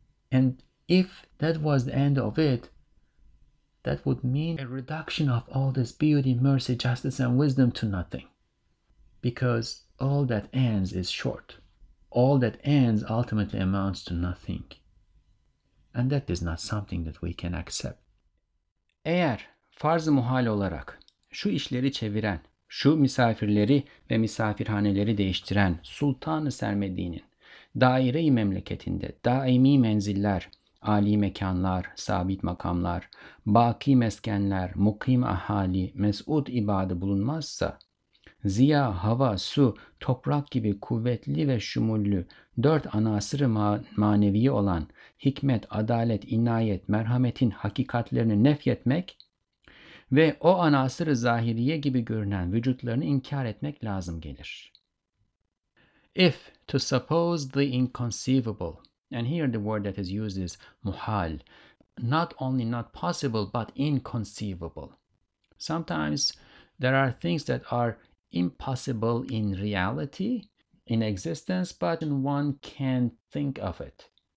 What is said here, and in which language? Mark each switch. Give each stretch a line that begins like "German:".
English: And if that was the end of it, that would mean a reduction of all this beauty, mercy, justice, and wisdom to nothing. Because all that ends is short. All that ends ultimately amounts to nothing. And that is not something that we can accept.
Turkish: Eğer farz-ı muhal olarak şu işleri çeviren, şu misafirleri ve misafirhaneleri değiştiren Sultan-ı Sermedi'nin daire-i memleketinde daimi menziller, âli mekanlar, sabit makamlar, baki meskenler, mukim ahali, mes'ud ibadı bulunmazsa, Ziya, hava, su, toprak gibi kuvvetli ve şumullü dört ana asrı maneviyi olan hikmet, adalet, inayet, merhametin hakikatlerini nefyetmek ve o ana asrı zahiriye gibi görünen vücutlarını inkar etmek lazım gelir.
English: If to suppose the inconceivable, and here the word that is used is muhal, not only not possible but inconceivable. Sometimes there are things that are impossible in reality, in existence, but one can think of it.